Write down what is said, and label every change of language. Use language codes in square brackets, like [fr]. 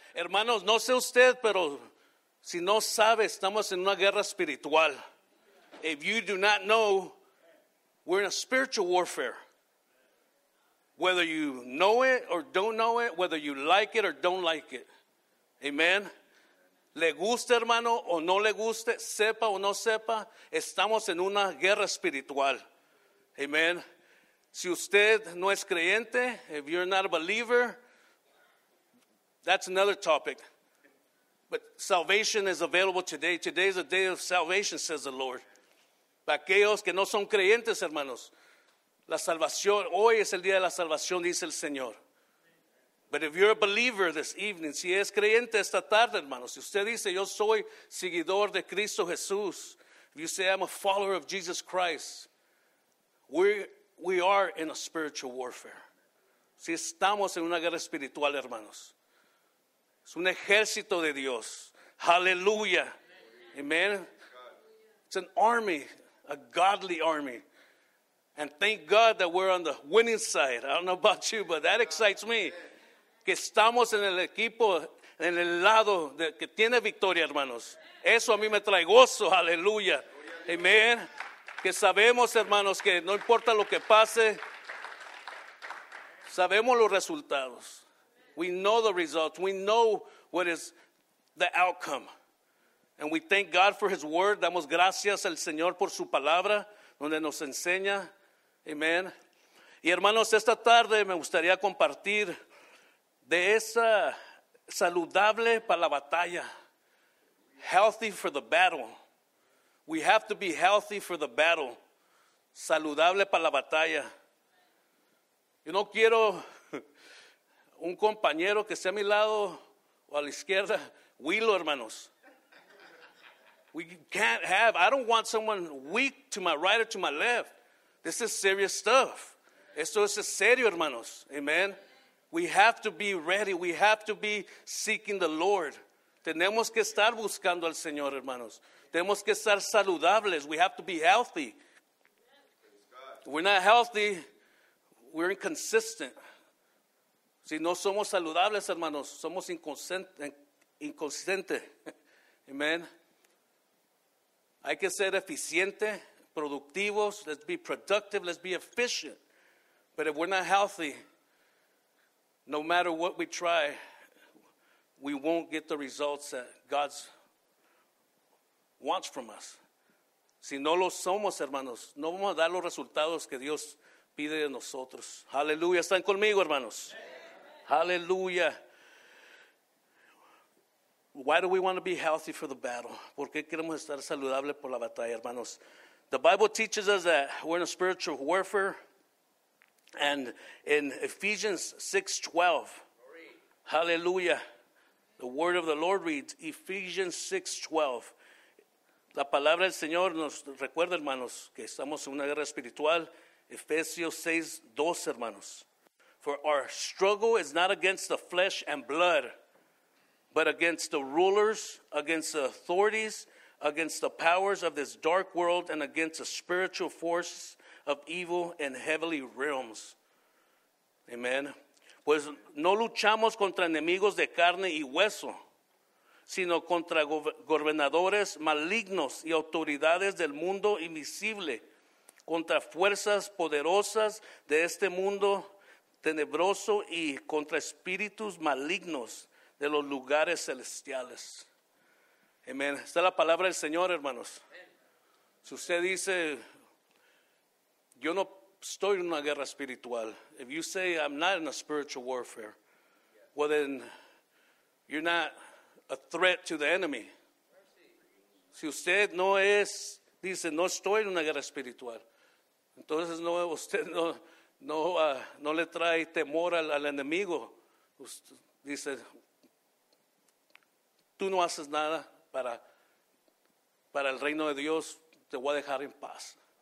[es] Hermanos, no sé usted, pero si no sabe, estamos en una guerra espiritual. [en] If you do not know, we're in a spiritual warfare. Whether you know it or don't know it, whether you like it or don't like it. Amen. [es] Le guste, hermano, o no le guste, sepa o no sepa, estamos en una guerra espiritual. Amen. Si usted no es creyente, [en] if you're not a believer, that's another topic. But salvation is available today. Today is a day of salvation, says the Lord. [es] Para aquellos que no son creyentes, hermanos, la salvación, hoy es el día de la salvación, dice el Señor. [en] But if you're a believer this evening, [es] si es creyente esta tarde, hermano, si usted dice, yo soy seguidor de Cristo Jesús, [en] if you say, I'm a follower of Jesus Christ, we are in a spiritual warfare. [es] Si estamos en una guerra espiritual, hermanos. Es un ejército de Dios. Hallelujah. Amen. [en] It's an army, a godly army. And thank God that we're on the winning side. I don't know about you, but that excites me. [es] Que estamos en el equipo, en el lado de, que tiene victoria, hermanos. Eso a mí me trae gozo, aleluya. Amén. Que sabemos, hermanos, que no importa lo que pase, sabemos los resultados. [en] We know the results. We know what is the outcome. And we thank God for his word. [es] Damos gracias al Señor por su palabra, donde nos enseña. Amén. Y hermanos, esta tarde me gustaría compartir de esa saludable para la batalla. [en] Healthy for the battle. We have to be healthy for the battle. [es] Saludable para la batalla. Yo no quiero un compañero que esté a mi lado o a la izquierda. Huilo, hermanos. [en] We can't have, I don't want someone weak to my right or to my left. This is serious stuff. [es] Esto es serio, hermanos. [en] Amen. We have to be ready. We have to be seeking the Lord. [es] Tenemos que estar buscando al Señor, hermanos. Tenemos que estar saludables. [en] We have to be healthy. If we're not healthy, we're inconsistent. [es] Si no somos saludables, hermanos, somos inconsistentes. Amen. Hay que ser eficiente, productivos. [en] Let's be productive. Let's be efficient. But if we're not healthy, no matter what we try, we won't get the results that God wants from us. [es] Si no lo somos, hermanos, no vamos a dar los resultados que Dios pide de nosotros. Aleluya. ¿Están conmigo, hermanos? Aleluya. [en] Why do we want to be healthy for the battle? [es] ¿Por qué queremos estar saludables por la batalla, hermanos? [en] The Bible teaches us that we're in a spiritual warfare. And in Ephesians 6:12, hallelujah, the word of the Lord reads, Ephesians 6:12. [es] La palabra del Señor nos recuerda, hermanos, que estamos en una guerra espiritual. Efesios 6:12, hermanos. [en] For our struggle is not against the flesh and blood, but against the rulers, against the authorities, against the powers of this dark world, and against the spiritual forces of evil in heavenly realms. Amen. [es] Pues no luchamos contra enemigos de carne y hueso, sino contra gobernadores malignos y autoridades del mundo invisible, contra fuerzas poderosas de este mundo tenebroso y contra espíritus malignos de los lugares celestiales. Amen. Esta es la palabra del Señor, hermanos. Si usted dice, yo no estoy en una guerra espiritual. [en] If you say, I'm not in a spiritual warfare, well then, you're not a threat to the enemy. [es] Si usted no es, dice, no estoy en una guerra espiritual, entonces no, usted no le trae temor al enemigo. Usted dice, tú no haces nada para el reino de Dios, te voy a dejar en paz.